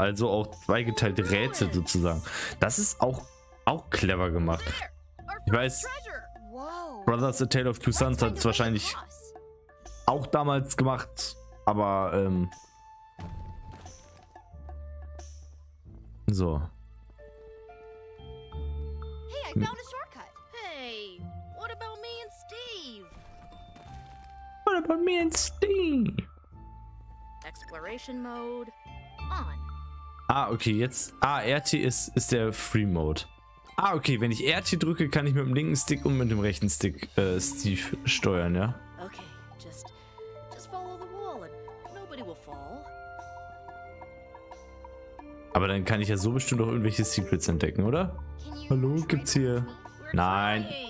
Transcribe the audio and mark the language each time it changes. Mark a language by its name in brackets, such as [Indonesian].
[German] Also auch zweigeteilte Rätsel sozusagen. Das ist auch clever gemacht. Ich weiß, Brothers A Tale of Two Sons hat es wahrscheinlich auch damals gemacht, aber so. [English] Hey, I found a shortcut. Hey, what about me and Steve? What about me and Steve? Exploration Mode on. [German] Ah, okay, jetzt. Ah, RT ist der Free Mode. Ah, okay, wenn ich RT drücke, kann ich mit dem linken Stick und mit dem rechten Stick Steve steuern, ja? [English] Okay, just follow the wall and nobody will fall. [German] Aber dann kann ich ja so bestimmt auch irgendwelche Secrets entdecken, oder? Hallo, gibt's hier? Nein.